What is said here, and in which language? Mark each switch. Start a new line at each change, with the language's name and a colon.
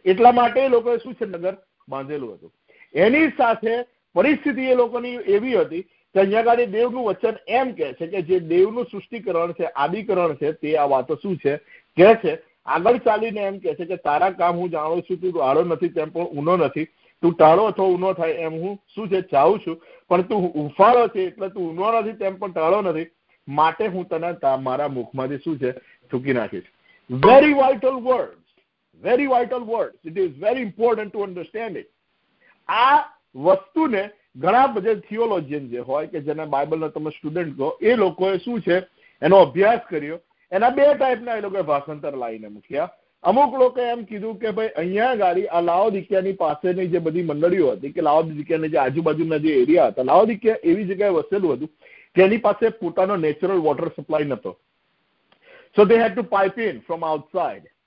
Gujarati: એટલા માટે એ લોકોએ શું છે નગર બાંધેલું હતું. એની સાથે પરિસ્થિતિ એ લોકોની એવી હતી કે અહીંયા ગાડી દેવનું વચન એમ કહે છે કે જે દેવનું સૃષ્ટિકરણ છે આદિકરણ છે તે આ વાતો શું છે કહે છે. આગળ ચાલીને એમ કહે છે કે તારા કામ હું જાણું છું, તું આળો નથી તેમ પણ ઊનો નથી, તું ટાળો અથવા ઊનો થાય એમ હું શું છે ચાહું છું, પણ તું ઉફાળો છે એટલે તું ઊનો નથી તેમ પણ ટાળો નથી, માટે હું તને મારા મુખમાંથી શું છે ચૂકી નાખીશ.
English: Very vital word, very vital words. It is very important to understand it.
Gujarati: આ વસ્તુને ઘણા બધા થિયોલોજીયન જે હોય કે જેને બાઇબલનો તમે સ્ટુડન્ટ કહો, એ લોકોએ શું છે એનો અભ્યાસ કર્યો, એના બે ટાઈપના એ લોકોએ ભાષાંતર લાવીને મૂક્યા. અમુક લોકો એમ કીધું કે ભાઈ અહીંયા ગાડી આ લાઓદિકિયાની પાસેની જે બધી મંડળીઓ હતી કે લાઓદિકિયાની જે આજુબાજુના જે એરિયા હતા, લાઓદિકિયા એવી જગ્યાએ વસેલું હતું તેની પાસે પોતાનો નેચરલ વોટર સપ્લાય નતો,
English: So they had to pipe in from outside.